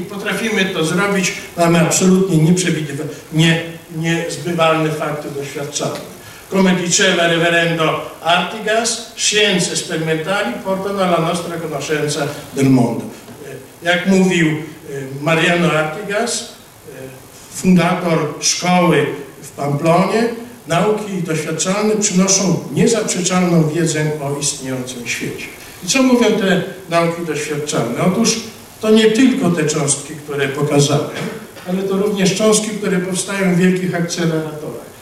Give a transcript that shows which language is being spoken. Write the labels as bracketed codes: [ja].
[pl] Potrafimy to zrobić, mamy absolutnie niezbywalne fakty doświadczalne. [it] Come diceva reverendo Artigas, scienze sperimentali portano alla nostra conoscenza del mondo. [pl] Jak mówił Mariano Artigas, fundator szkoły w Pamplonie, nauki doświadczalne przynoszą niezaprzeczalną wiedzę o istniejącym świecie. I co mówią te nauki doświadczalne? Otóż to nie tylko te cząstki, które pokazałem, ale to również cząstki, które powstają w wielkich akceleratorach.